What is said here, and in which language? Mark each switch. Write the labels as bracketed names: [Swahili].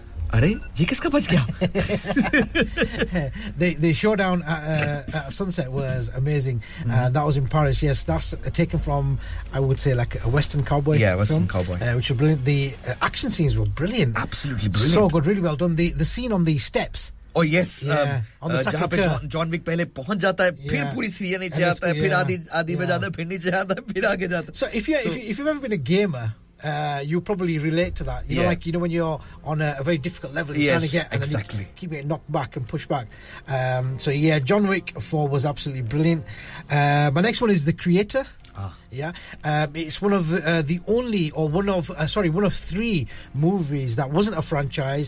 [Hindi] अरे ये किसका बच गया? [English] The showdown at sunset was amazing. That was in Paris. Yes, that's taken from, I would say, like a Western cowboy. Yeah, Western film, cowboy. Which was brilliant. The action scenes were brilliant. Absolutely brilliant. So good, really well done. The scene on the steps. Oh yes, yeah. [Hindi] On the जहाँ पे John Wick पहले पहुँच जाता है, फिर पूरी series नीचे आता है, फिर आदि में जाता है, फिर नीचे आता है, फिर आगे जाता है. [English] So if you've ever been a gamer. You'll probably relate to that. You know, like, you know, when you're on a very difficult level, you're trying to get and exactly. you keep getting knocked back and pushed back. So, yeah, John Wick 4 was absolutely brilliant. My next one is The Creator. Yeah. It's one of one of three movies that wasn't a franchise.